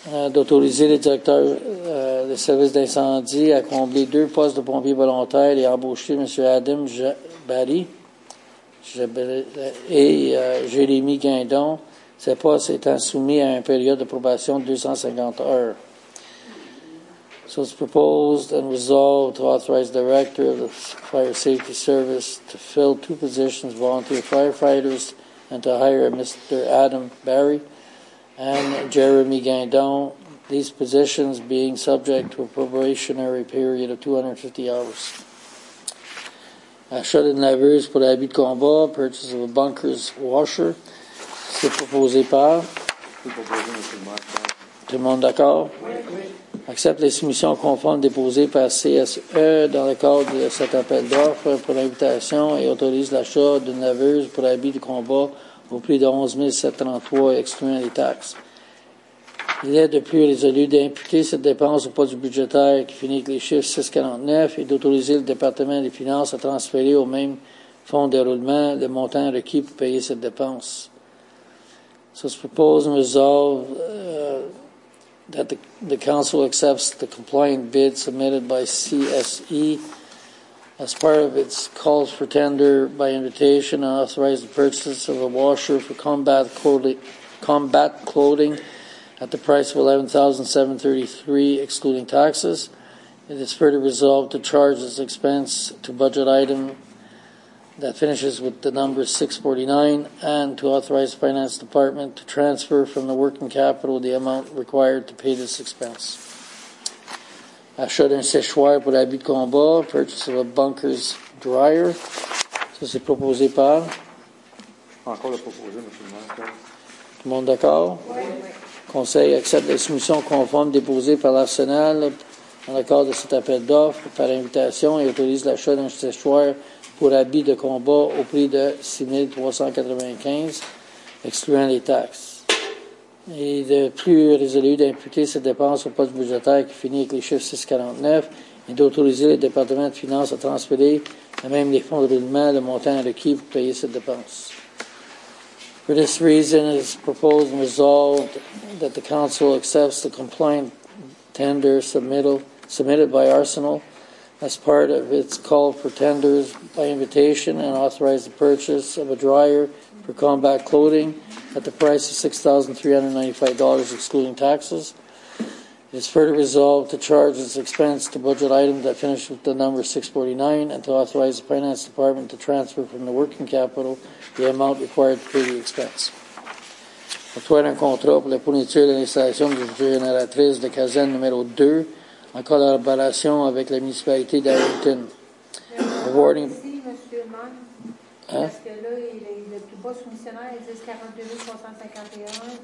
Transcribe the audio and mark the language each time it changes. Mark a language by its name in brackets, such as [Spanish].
[French] D'autoriser les directeurs des services d'incendie à combler deux postes de pompiers volontaires et embaucher M. Adam Barry Jérémy Guindon. Ces postes étant soumis à une période de probation de 250 heures. [English] So it's proposed and resolved to authorize the director of the Fire Safety Service to fill two positions, volunteer firefighters, and to hire Mr. Adam Barry and Jeremy Guindon, these positions being subject to a probationary period of 250 hours. [French] Achat d'une laveuse pour l'habit de combat, [English] purchase of a bunker's washer. [French] C'est proposé par? Tout le monde d'accord? Accepte les soumissions conformes déposées par CSE dans le cadre de cet appel d'offres pour l'invitation et autorise l'achat d'une laveuse pour habits de combat au prix de 11 733 excluant les taxes. Il est de plus résolu d'imputer cette dépense au poste budgétaire qui finit avec les chiffres 649 et d'autoriser le département des finances à transférer au même fonds de roulement le montant requis pour payer cette dépense. [English] So it's proposed and resolved that the council accepts the compliant bid submitted by CSE as part of its calls for tender by invitation and authorize the purchase of a washer for combat clothing at the price of $11,733 excluding taxes. It is further resolved to charge this expense to budget item that finishes with the number 649 and to authorize the finance department to transfer from the working capital the amount required to pay this expense. [French] Achat d'un séchoir pour l'habit de combat, [English] purchase of a bunker's dryer. [French] Ça, c'est proposé par? Encore le proposé, M. le maire. Tout le monde d'accord? Oui. Conseil accepte la soumission conforme déposée par l'Arsenal en accord de cet appel d'offres par invitation et autorise l'achat d'un séchoir pour habits de combat au prix de 6 395, excluant les taxes. Il est de plus résolu d'imputer cette dépense au poste budgétaire qui finit avec les chiffres 649 et d'autoriser le département de finances à transférer à même les fonds de roulement le montant requis pour payer cette dépense. [English] For this reason, it is proposed and resolved that the Council accepts the complaint tender submitted by Arsenal as part of its call for tenders by invitation and authorize the purchase of a dryer for combat clothing at the price of $6,395, excluding taxes. It is further resolved to charge as expense to budget item that finishes with the number 649 and to authorize the Finance Department to transfer from the working capital the amount required to pay the expense. [French] Octroyer un contrat pour la fourniture de l'installation de génératrice de caserne numéro 2 en collaboration avec la municipalité d'Arlington. [English] Awarding. Le [French] poste fonctionnaire, il dit 42 351,